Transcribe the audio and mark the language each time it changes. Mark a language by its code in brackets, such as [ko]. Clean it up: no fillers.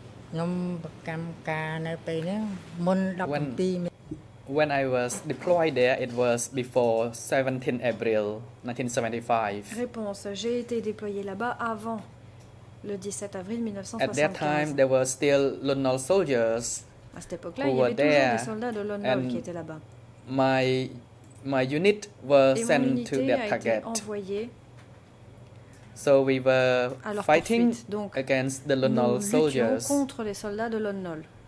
[en] When I was deployed there, it was before 17 April 1975. [fr] Réponse, j'ai été déployé là-bas avant le 17 avril 1975. [en] At that time, there were still Lon Nol soldiers [fr] à cette époque-là, il y avait toujours des soldats de Lon Nol qui étaient là-bas. [en] My unit was sent to that target. So we were [fr] alors, [en] fighting [fr] poursuite, donc, [en] against the Lon Nol soldiers. [fr] Contre les soldats de Lon Nol.